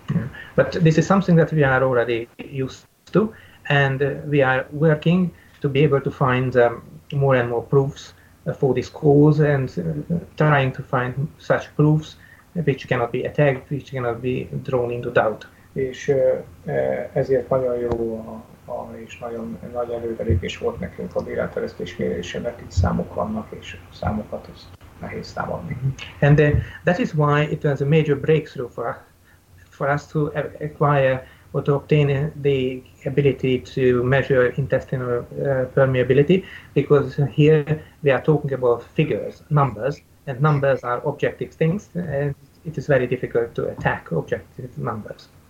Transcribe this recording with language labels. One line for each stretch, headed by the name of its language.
English: Yeah. But this is something that we are already used to, and we are working to be able to find more and more proofs for this cause, and trying to find such proofs which cannot be attacked, which cannot be drawn into doubt.
Hungarian: És ezért nagyon jó és nagyon nagy előrelépés volt nekünk a béleteresztés mérése, mert itt számok vannak, és számokat is nehéz számolni.
English: And that is why it was a major breakthrough for us to acquire or to obtain the ability to measure intestinal permeability, because here we are talking about figures, numbers, and numbers are objective things, and it is very difficult to attack objective numbers.